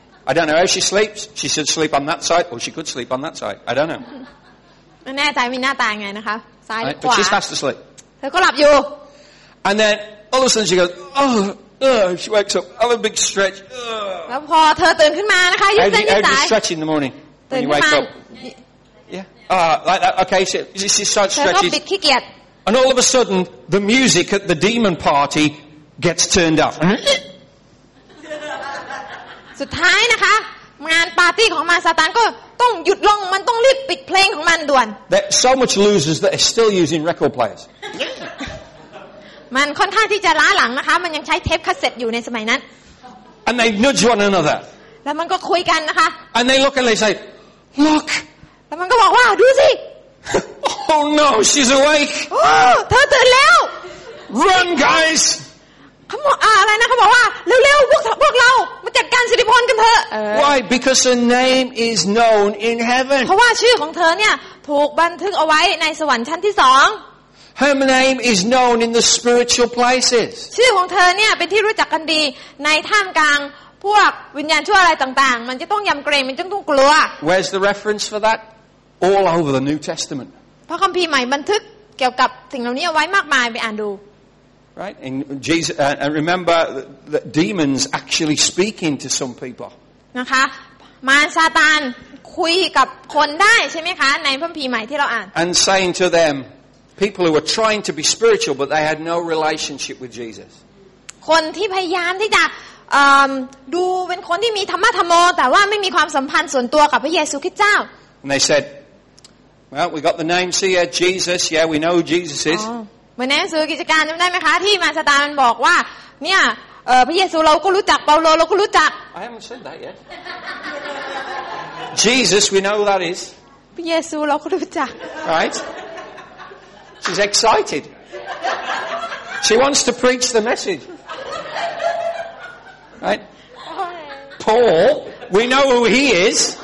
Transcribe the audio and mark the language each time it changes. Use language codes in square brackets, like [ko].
[en] I don't know how she sleeps. She should sleep on that side, or she could sleep on that side. I don't know. [th] แน่ใจมีหน้าตาไงนะคะซ้ายขวา [en] But she's fast asleep. [th] เธอก็หลับอยู่ [en] And then all of a sudden she goes, oh, she wakes up. Have a big stretch. [th] แล้วพอเธอตื่นขึ้นมานะคะยืดเส้นยืดสาย [en] How do you stretch in the morning when you wake up? Yeah. Like that. Okay. She starts stretching. [th] เธอก็ปิดขี้เกียจ [en] And all of a sudden the music at the demon party gets turned up. [th] สุดท้ายนะคะงานปาร์ตี้ของมารซาตานก็ต้องหยุดลงมันต้องรีบปิดเพลงของมันด่วน [en] That so much losers that are still using record players [th] มันค่อนข้างที่จะล้าหลังนะคะมันยังใช้เทปคาสเซ็ตอยู่ในสมัยนั้น [en] And they nudge one another [th] แล้วมันก็คุยกันนะคะ [en] And they look and they say look [th] แล้วมันก็บอกว่าดูสิ [en] Oh no she's awake [th] เธอตื่นแล้ว [en] Run guys [th] เขาบอกอะไรนะเขาบอกว่าเร็วๆพวกเรามาจัดการสิริพรกันเถอะ [en] Why because her name is known in heaven [th] เพราะว่าชื่อของเธอเนี่ยถูกบันทึกเอาไว้ในสวรรค์ชั้นที่สอง [en] Her name is known in the spiritual places [th] ชื่อของเธอเนี่ยเป็นที่รู้จักกันดีในท่ามกลางพวกวิญญาณชั่วอะไรต่างๆมันจะต้องยำเกรงมันจะต้องกลัว [en] Where's the reference for that all over the New Testament [th] พระคัมภีร์ใหม่บันทึกเกี่ยวกับสิ่งเหล่านี้เอาไว้มากมายไปอ่านดู [en] Right, and Jesus, and remember that demons actually speaking to some people. [th] นะคะ มารซาตานคุยกับคนได้ใช่ไหมคะในพระคัมภีร์ใหม่ที่เราอ่าน [en] And saying to them, people who were trying to be spiritual but they had no relationship with Jesus. [th] คนที่พยายามที่จะดูเป็นคนที่มีธรรมะธรรมโมแต่ว่าไม่มีความสัมพันธ์ส่วนตัวกับพระเยซูคริสต์เจ้า [en] And they said, well, we got the name, see, yeah, Jesus. Yeah, we know who Jesus is. Oh. [th] เหมือนในหนังสือกิจการจำได้ไหมคะที่มารซาตานมันบอกว่าเนี่ยพระเยซูเราก็รู้จักเปาโลเราก็รู้จัก [en] I haven't said that yet Jesus we know who that is [th] พระเยซูเราก็รู้จัก [en] Right She's excited She wants to preach the message Right Paul we know who he is